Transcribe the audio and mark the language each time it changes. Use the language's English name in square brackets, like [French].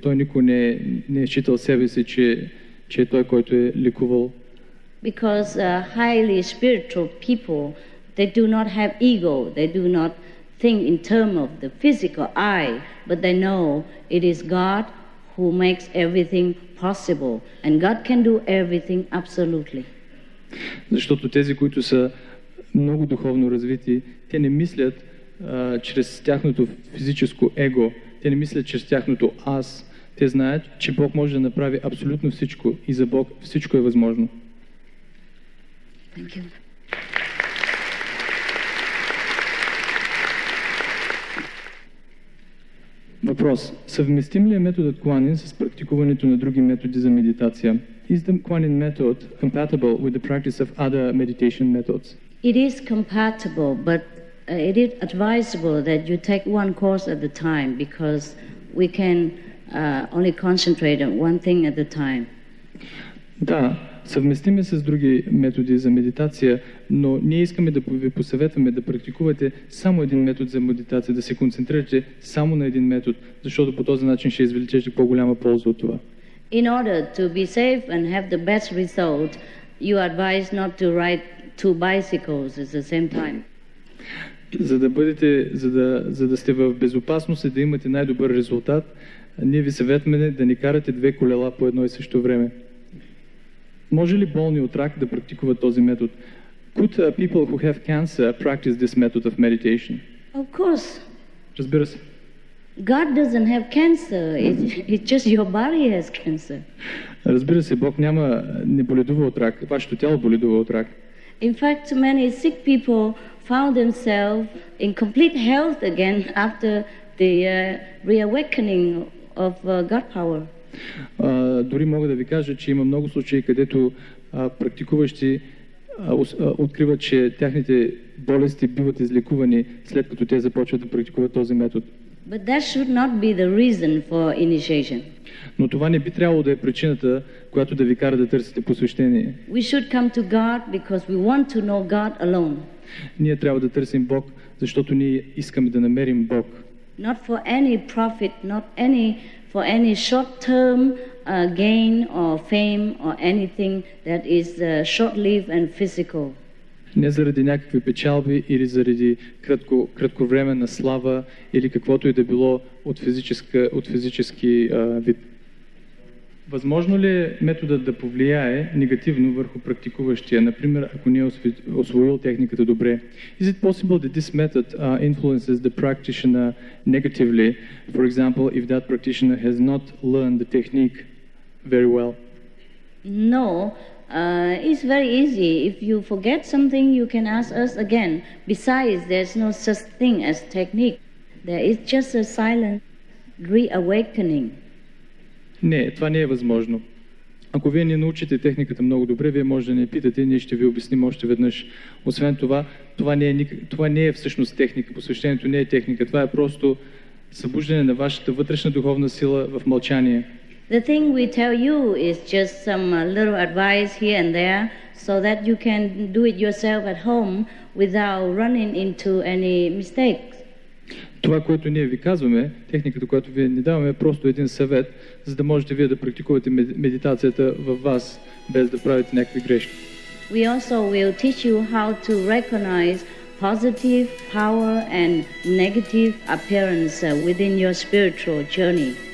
[Bulgarian] Той никога не е считал себе си, че е той, който е лекувал. [English] Because highly spiritual people, they do not have ego. They do not think in terms of the physical eye, but they know it is God who makes everything possible, and God can do everything absolutely. [Bulgarian] Защото тези, които са много духовно развити, те не мислят чрез тяхното физическо его. Те не мислят чрез тяхното аз. Те знаят, че Бог може да направи абсолютно всичко и за Бог всичко е възможно. [English] Thank you. [Bulgarian] Въпрос. Съвместим ли е методът Куанин с практикуването на други методи за медитация? [English] Is the Kuan method compatible with the practice of other meditation methods? It is compatible, but it is advisable that you take one course at a time because we can only concentrate on one thing at a time. [Bulgarian] Да, съвместим е с други методи за медитация, но ние искаме да ви посъветваме да практикувате само един метод за медитация, да се концентрирате само на един метод, защото по този начин ще извлечете по-голяма полза от това. [English] In order to be safe and have the best result, you advise not to ride two bicycles at the same time. [Bulgarian] За да сте в безопасност и да имате най-добър резултат, ние ви съветваме да не карате две колела по едно и също време. Може ли болни от рак да практикуват този метод? [English] Could people who have cancer practice this method of meditation? Of course. [Bulgarian] Разбира се. [English] God doesn't have cancer. It's just your body has cancer. [Bulgarian] Разбира се, Бог няма не боледува от рак. Вашето тяло боледува от рак. [English] In fact, many sick people found themselves in complete health again after the reawakening of God power. [Bulgarian] Дори мога да ви кажа, че има много случаи, където практикуващи открива, че техните болести биват излекувани след като те започват да практикуват този метод. [English] But that should not be the reason for initiation. [Bulgarian] Но това не би трябвало да е причината, която да ви кара да търсите посвещение. [English] We should come to God because we want to know God alone. [Bulgarian] Ние трябва да търсим Бог, защото ние искаме да намерим Бог. [English] Not for any profit, not any for any short-term gain or fame or anything that is short-lived and physical. [Bulgarian] Не заради някакви печалби или заради кратковременна слава или каквото и да било от физически вид. Възможно ли е методът да повлияе негативно върху практикуващия, например, ако не е освоил техниката добре? [English] Is it possible that this method influences the practitioner negatively, for example, if that practitioner has not learned the technique very well? No. It's very easy. If you forget something, you can ask us again. Besides, there's no such thing as technique. There is just a silent reawakening. [Bulgarian] Не, това не е възможно. Ако вие не научите техниката много добре, вие може да не питате, ние ще ви обясним още веднъж. Освен това, това не е всъщност техника. Посвещението не е техника. Това е просто събуждане на вашата вътрешна духовна сила в мълчание. [English] The thing we tell you is just some little advice here and there so that you can do it yourself at home without running into any mistakes. [Bulgarian] Това, което ние ви казваме, техниката, която ви ни даваме, е просто един съвет, за да можете вие да практикувате медитацията във вас, без да правите някакви грешки. [English] We also will teach you how to recognize positive power and negative appearance within your spiritual journey.